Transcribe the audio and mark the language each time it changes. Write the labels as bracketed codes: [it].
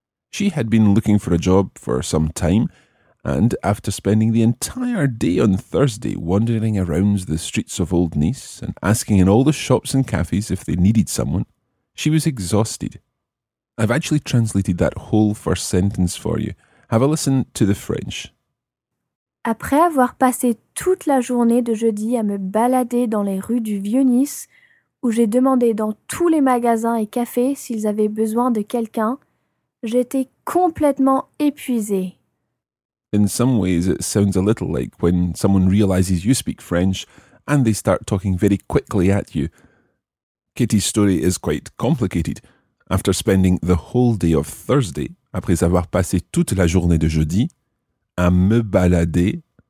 [en] She had been looking for a job for some time, and after spending the entire day on Thursday wandering around the streets of Old Nice and asking in all the shops and cafes if they needed someone, she was exhausted. I've actually translated that whole first sentence for you. Have a listen to the French. [fr] Après avoir passé toute la journée de jeudi à me balader dans les rues du Vieux-Nice, où j'ai demandé dans tous les magasins et cafés s'ils avaient besoin de quelqu'un, j'étais complètement épuisée. [en] In some ways, it sounds a little like when someone realizes you speak French and they start talking very quickly at you. Kitty's story is quite complicated. After spending the whole day of Thursday, [fr] après avoir passé toute la journée de jeudi, à me balader.